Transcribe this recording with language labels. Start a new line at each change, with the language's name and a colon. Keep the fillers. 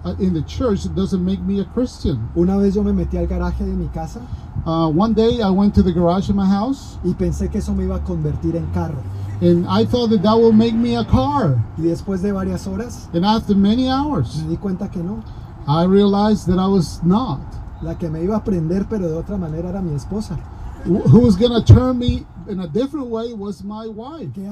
English: Uh, in the church it doesn't make me a Christian.
Spanish: Una vez yo me metí al garaje de mi casa.
English: Uh, one day I went to the garage of my house.
Spanish: Y pensé que eso me iba a convertir en carro.
English: And I thought that that would make me a car.
Spanish: Y después de varias horas,
English: and after many hours,
Spanish: me di cuenta que no.
English: I realized that I was not.
Spanish: La que me iba a aprender, pero de otra manera era mi esposa.
English: Who was gonna turn me in a different way was my wife.